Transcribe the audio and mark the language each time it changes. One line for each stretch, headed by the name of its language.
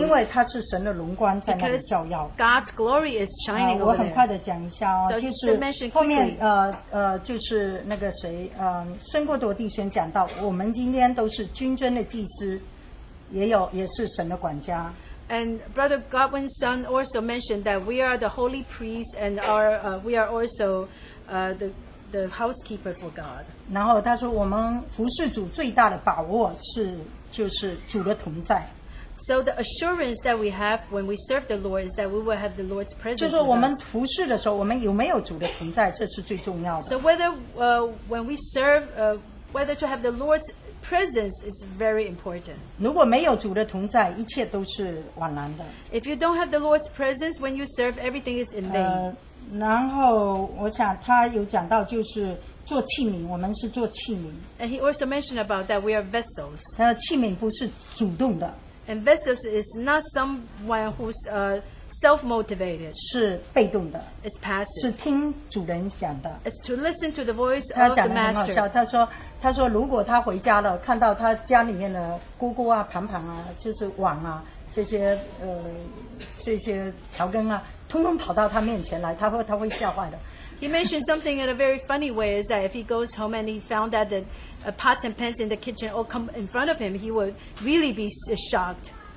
Chinese: 因为它是神的荣光在那里照耀。
English: Because God's glory is shining over there.
Chinese: 我很快的讲一下哦，就是后面就是那个谁孙过多弟兄讲到，我们今天都是君尊的祭司，也是神的管家。
English: And Brother Godwin's son also mentioned that we are the holy priest and we are also the housekeeper for God.
Chinese: 然后他说我们服侍主最大的把握是就是主的同在。
English: So the assurance that we have when we serve the Lord is that we will have the Lord's presence.
Chinese: 就是我们服侍的时候，我们有没有主的同在，这是最重要的。
English: So whether when we serve, whether to have the Lord's presence is very important.
Chinese: 如果没有主的同在，一切都是枉然的。If
English: you don't have the Lord's presence when you serve, everything is in vain.
Chinese: 然后我想他有讲到就是。做器皿,
English: and he also mentioned about that we are vessels.
Chinese: 器皿不是主动的,
English: and vessels is not someone who's self-motivated.
Chinese: 是被动的,
English: it's passive.
Chinese: 是听主人讲的,
English: it's to listen to the voice of the master.
Chinese: 他说如果他回家了, 看到他家里面的锅锅啊, 盘盘啊, 就是碗啊, 这些, 这些调羹啊, 通通跑到他面前来, 他会吓坏的。
English: He mentioned something in a very funny way, is that if he goes home and he found that the pots and pans in the kitchen all come in front of him, he would really be shocked.